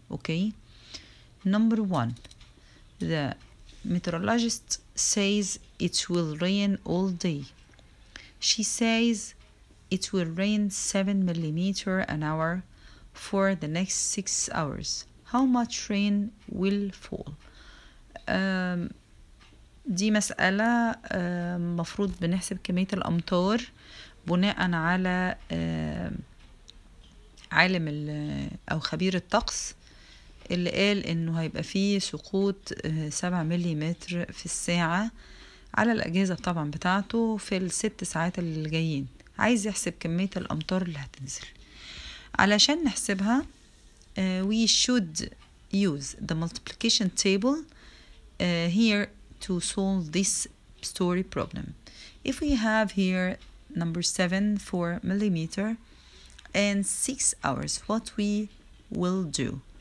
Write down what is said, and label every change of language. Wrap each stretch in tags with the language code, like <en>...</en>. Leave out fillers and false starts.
<en>Okay, number one, the meteorologist says it will rain all day. She says it will rain 7 millimeters an hour for the next 6 hours. How much rain will fall?</en> <ar>دي مسألة مفروض بنحسب كمية الأمطار بناء على عالم أو خبير الطقس اللي قال إنه هيبقى فيه سقوط 7 مليمتر في الساعة على الأجهزة طبعا بتاعته في ال6 ساعات اللي جايين. عايز يحسب كمية الأمطار اللي هتنزل. علشان نحسبها</ar> <en>we should use the multiplication table here to solve this story problem. If we have here number 7 for millimeter and 6 hours, what we will do?</en>